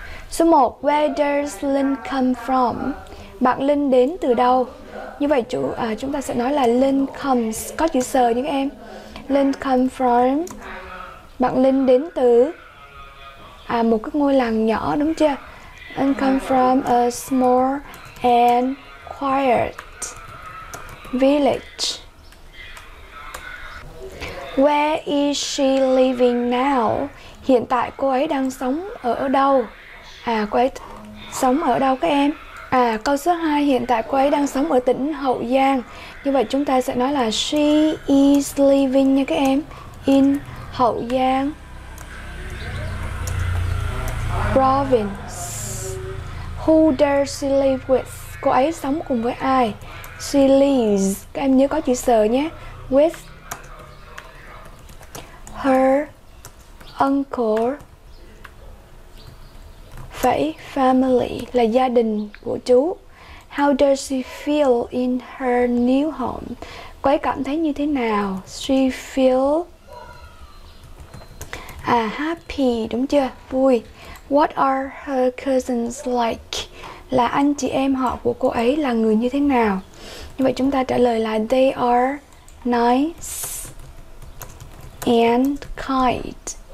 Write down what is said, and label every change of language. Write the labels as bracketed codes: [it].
[vi] Số 1, [en] where does Linh come from? [vi] Bạn Linh đến từ đâu? Như vậy chúng ta sẽ nói là [en] Linh comes, [vi] có chữ sờ nhé các em. [en] Linh come from, [vi] bạn Linh đến từ À, một cái ngôi làng nhỏ đúng chưa? [en] And come from a small and quiet village. Where is she living now? [vi] Hiện tại cô ấy đang sống ở đâu? À, cô ấy sống ở đâu các em? À, câu số 2, hiện tại cô ấy đang sống ở tỉnh Hậu Giang. Như vậy chúng ta sẽ nói là [en] she is living [vi] nha các em. [en] In Hậu Giang province. Who does she live with? [vi] Cô ấy sống cùng với ai? [en] She lives. [vi] Các em nhớ có chữ sờ nhé. [en] With her uncle. [vi] Vậy family là gia đình của chú. [en] How does she feel in her new home? [vi] Cô ấy cảm thấy như thế nào? [en] She feel happy, [vi] đúng chưa? Vui. [en] What are her cousins like? [vi] Là anh chị em họ của cô ấy là người như thế nào? Như vậy chúng ta trả lời là [en] they are nice and kind.